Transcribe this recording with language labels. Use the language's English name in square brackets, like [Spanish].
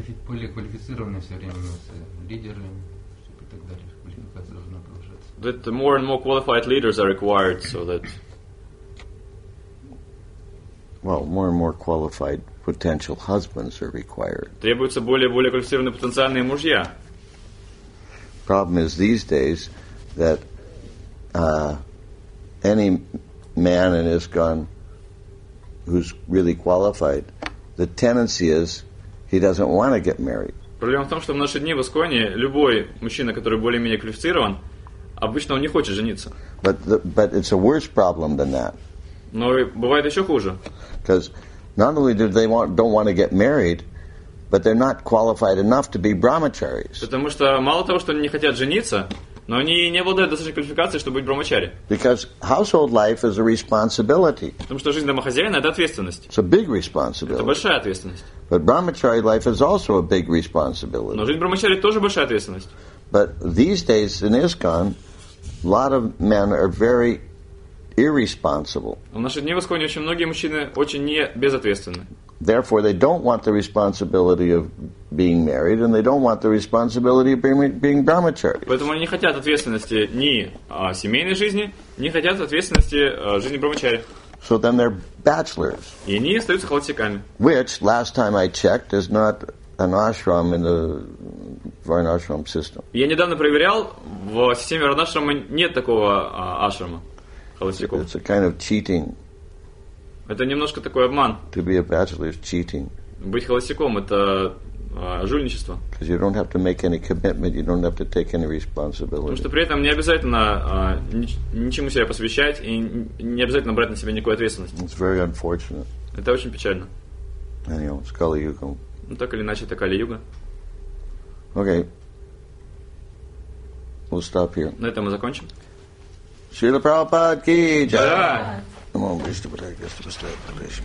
[Russian] Более квалифицированные все время у нас лидеры, и так далее. Квалификация должна повышаться. [English] That more and more qualified leaders are required, so that. Well, more and more qualified potential husbands are required. [Russian] Требуются более квалифицированные потенциальные мужья. [English] Problem is these days that any man in ISKCON who's really qualified, the tendency is he doesn't want to get married. [Russian] Проблема в том, что в наши дни в ISKCON любой мужчина, который более-менее квалифицирован, обычно он не хочет жениться. [English] But it's a worse problem than that. [Russian] Но бывает еще хуже. [English] Because not only do they don't want to get married, but they're not qualified enough to be brahmacharis. [Russian] Потому что мало того, что они не хотят жениться, но они не обладают достаточной квалификацией, чтобы быть брахмачари. [English] Because household life is a responsibility. [Russian] Потому что жизнь домохозяина это ответственность. [English] It's a big responsibility. [Russian] Это большая ответственность. [English] But brahmachari life is also a big responsibility. [Russian] Но жизнь брахмачари тоже большая ответственность. [English] But these days in ISKCON, a lot of men are very irresponsible. [Russian] В наши дни в ИСККОНе очень многие мужчины очень не безответственны. [English] Therefore, they don't want the responsibility of being married, and they don't want the responsibility of being brahmacharis. [Russian] Поэтому они не хотят ответственности ни семейной жизни, не хотят ответственности жизни брахмачари. [English] So then they're bachelors. [Russian] И они остаются холостяками. [English] Which, last time I checked, is not an ashram in the varnashram system. [Russian] Я недавно проверял, в системе варнашрама нет такого ашрама холостяков. [English] It's a kind of cheating. [Russian] Это немножко такой обман. [English] To be a bachelor is cheating. [Russian] Быть холостяком это жульничество. [English] Because you don't have to make any commitment, you don't have to take any responsibility. [Russian] Потому что при этом не обязательно ничему себя посвящать и не обязательно брать на себя никакую ответственность. [English] It's very unfortunate. [Russian] Это очень печально. [English] Anyhow, it's Kali-Yuga. [Russian] Ну так или иначе, это Кали-Юга. [English] Okay. We'll stop here. [Russian] На этом мы закончим. Шрила Прабхупада ки джай. Да. [English] Come on, please, to put our guest to the state of the nation.